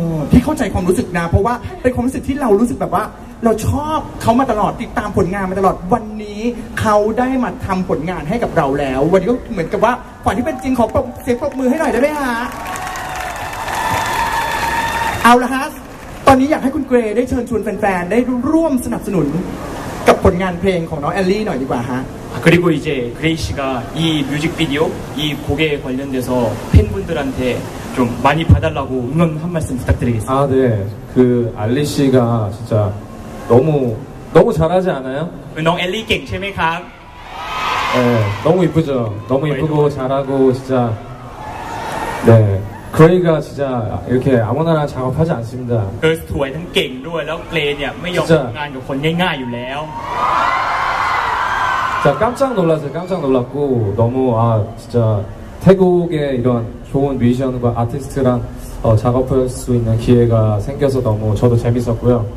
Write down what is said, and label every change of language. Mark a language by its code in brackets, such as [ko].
[th] พี่เข้าใจความรู้สึกนะเพราะว่าเป็นความรู้สึกที่เรารู้สึกแบบว่าเราชอบเขามาตลอดติดตามผลงานมาตลอดวันนี้เขาได้มาทำผลงานให้กับเราแล้ววันนี้ก็เหมือนกับว่าฝันที่เป็นจริงขอปรบเสียงปรบมือให้หน่อยได้ไหมฮะเอาละฮะตอนนี้อยากให้คุณเกรย์ได้เชิญชวนแฟนๆได้ร่วมสนับสนุนกับผลงานเพลงของน้องแอลลี่หน่อยดีกว่าฮะ [ko] 그리고이제 그레이씨가 이 뮤직 비디오 이 곡에 관련돼서 팬분들한테 좀 많이 봐달라고 응원 한 말씀 부탁드리겠습니다 아 네 그 알리 씨가 진짜 너무 너무 잘하지 않아요? 너 엘리 갱 최메강 네 너무 이쁘죠 너무 이쁘고 잘하고 진짜 네 그레이가 진짜 이렇게 아무나랑 작업하지 않습니다 [th] 그 สวย ทั้ง เก่ง ด้วย แล้ว เกรย์ เนี่ย ไม่ ยอม ทำ งาน กับ คน ง่าย ๆ อยู่ แล้ว [ko] 진짜깜짝놀랐어요깜짝놀랐고너무아진짜태국에이런좋은뮤지션과아티스트랑작업할수있는기회가생겨서너무저도재밌었고요